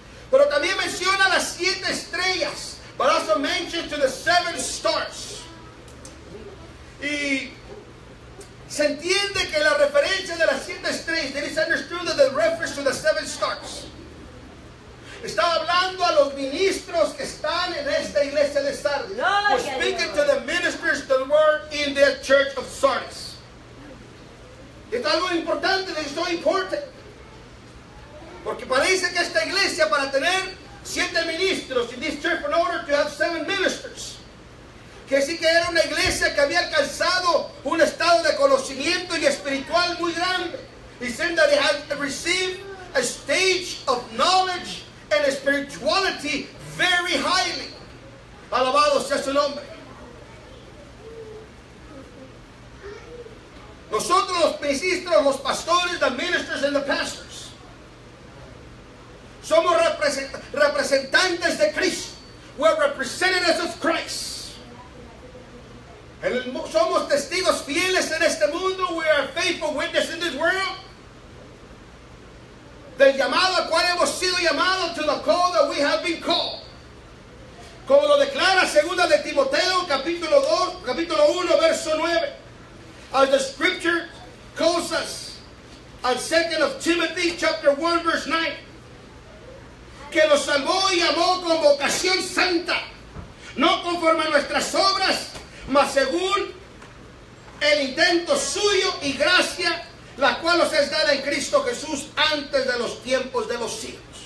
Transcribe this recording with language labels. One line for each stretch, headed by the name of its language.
Spanish: Pero también menciona las siete estrellas,
English: but also mentioned to the seven stars.
Spanish: Y se entiende que la referencia de las siete estrellas,
English: it is understood that the reference to the seven stars.
Spanish: Está hablando a los ministros que están en esta iglesia de Sardis.
English: We're speaking to the ministers that were in the church of Sardis. Es algo importante, es muy importante. Porque parece que esta iglesia para tener siete ministros, in this church in order to have seven ministers.
Spanish: Que sí que era una iglesia que había alcanzado un estado de conocimiento y espiritual muy grande.
English: He said that they had received a stage of knowledge and spirituality very highly.
Spanish: Alabado sea su nombre. Nosotros los ministros, los pastores,
English: the ministers and the pastors.
Spanish: Somos representantes de Cristo.
English: We're representatives of Christ.
Spanish: Somos testigos fieles en este mundo.
English: We are faithful witnesses in this world.
Spanish: Del llamado al cual hemos sido llamados,
English: to the call that we have been called.
Spanish: Como lo declara segunda de Timoteo, capítulo 2, capítulo 1, verso 9.
English: As the scripture calls us, and second of Timothy, chapter 1, verse 9.
Spanish: Que nos salvó y llamó con vocación santa, no conforme a nuestras obras, mas según el intento suyo y gracia, la cual os es dada en Cristo Jesús antes de los tiempos de los siglos.